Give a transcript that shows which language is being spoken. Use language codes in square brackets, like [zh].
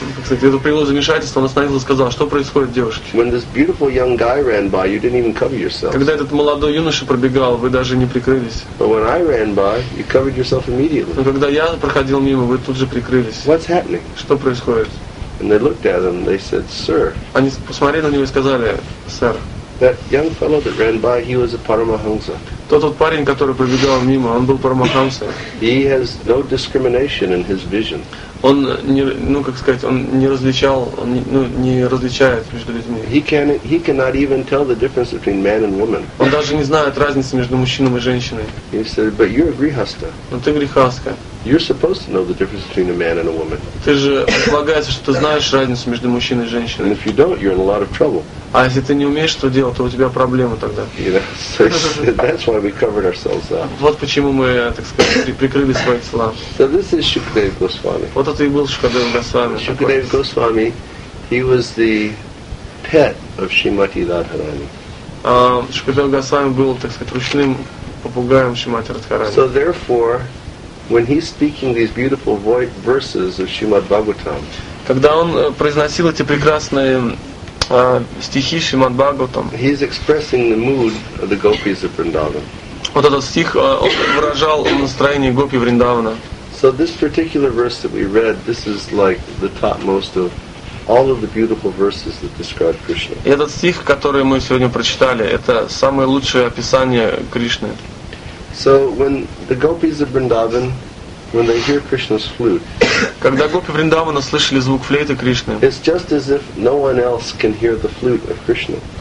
[ru] Это привело замешательство. Он остановился и сказал, что происходит, девушки? [en] When this beautiful young guy ran by, you didn't even cover yourself. [ru] Когда этот молодой юноша пробегал, вы даже не прикрылись. [en] But when I ran by, you covered yourself immediately. [ru] Но когда я проходил мимо, вы тут же прикрылись. [en] What's happening? [ru] Что происходит? [en] And they looked at him. They said, "Sir." [ru] Они посмотрели на него и сказали, сэр. [en] That young fellow that ran by, he was a Paramahansa. [ru] Тот парень, который пробегал мимо, он был Парамахамса. [en] He has no discrimination in his vision. [ru] Он не, ну как сказать, он не различал, он не, ну, не различает между людьми. [en] He cannot even tell the difference between man and woman. [ru] Он даже не знает разницы между мужчиной и женщиной. [en] He said, "But you're a grihastha." [ru] Но ты грихастха. [en] You're supposed to know the difference between a man and a woman. [ru] Ты же полагается, что ты знаешь разницу между мужчиной и женщиной. [en] And if you don't, you're in a lot of trouble. [ru] А если ты не умеешь что делать, то у тебя проблемы тогда. [en] That's why we covered ourselves up. [ru] Вот почему мы, так сказать, прикрыли свои тела. [en] So this is Shukadev Goswami. [ru] Вот это и был Шукадев Госвами. [en] Shukadev Goswami, he was the pet of Shrimati Radharani. [ru] Шукадев Госвами был, так сказать, ручным попугаем Шримати Радхарани. [en] So therefore, when he's speaking these beautiful verses of Shrimad Bhagavatam, [ru] когда он произносил эти прекрасные стихи Шримад Бхагаватам, [en] he's expressing the mood of the gopis of Vrindavan. [ru] Вот этот стих выражал настроение гопи Вриндавана. [en] So this particular verse that we read, this is like the topmost of all of the beautiful verses that describe Krishna. [ru] И этот стих, который мы сегодня прочитали, это самое лучшее описание Кришны. [en] So when the gopis of Vrindavan, when they hear Krishna's flute, [ru] когда гопи Вриндавана слышали звук флейты Кришны, [en] it's just as if no one else can hear the flute of Krishna.